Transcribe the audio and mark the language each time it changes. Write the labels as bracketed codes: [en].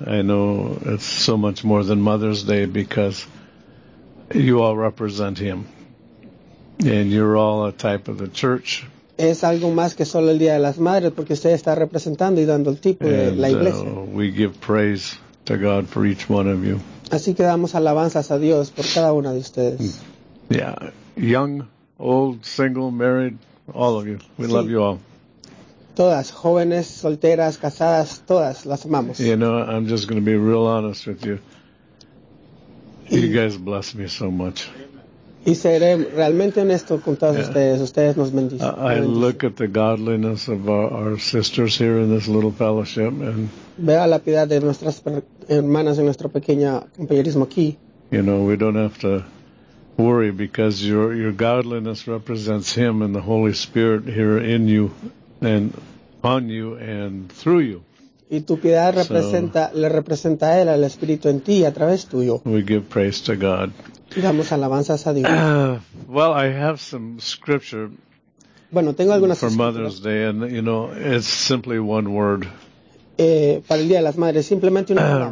[en] I know it's so much more than Mother's Day because you all represent him. And you're all a type of the church. [es] Es algo más que solo el Día de las Madres, porque usted está representando y dando el tipo de la iglesia. [en] We give praise to God for each one of you. [es] Así que damos alabanzas a Dios por cada una de ustedes. [en] Yeah. Young, old, single, married, all of you. We love you all. [es] Todas, jóvenes, solteras, casadas, todas las amamos. [en] You know, I'm just going to be real honest with you. You guys bless me so much. [es] Y seré realmente honesto con todos ustedes. Ustedes nos bendicen. [en] I look at the godliness of our sisters here in this little fellowship, and [es] veo la piedad de nuestras hermanas en nuestro pequeño compañerismo aquí. [en] You know, we don't have to worry, because your godliness represents Him and the Holy Spirit here in you and on you and through you. [es] Y tu piedad representa, so, le representa a Él, al Espíritu en ti y a través tuyo. [en] We give praise to God. [es] Y damos alabanzas a Dios. [en] Well, I have some scripture. [es] Bueno, tengo algunas [en] for Mother's Day, and you know, it's simply one word. [es] Para el Día de las Madres, simplemente una palabra.